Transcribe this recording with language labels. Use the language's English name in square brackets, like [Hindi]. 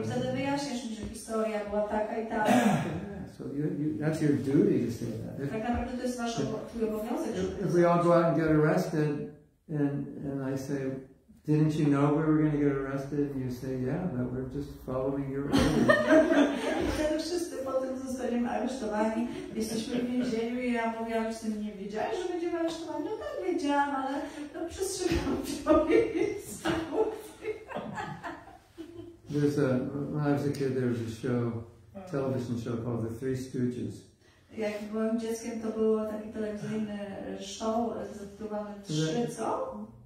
[Polish] I wtedy wyjaśniesz mi, że historia była taka i taka. [English] So that's your duty to say that. [Polish] Tak naprawdę to jest wasz obowiązek. [English] If we all go out and get arrested, and I say, didn't you know we were going to get arrested? And you say, yeah, but we're just following your orders. [Polish] Wszyscy potem zostaniemy aresztowani. Jesteśmy w więzieniu i ja mówię, ale ty nie wiedziałeś, że będziemy aresztowani. No tak, wiedziałam, ale to przestrzegam się. [English] When I was a kid, there was a show, television show called The Three Stooges. [Polish] Jak byłem dzieckiem, to było taki telewizyjny show zatytułowany Trzy co?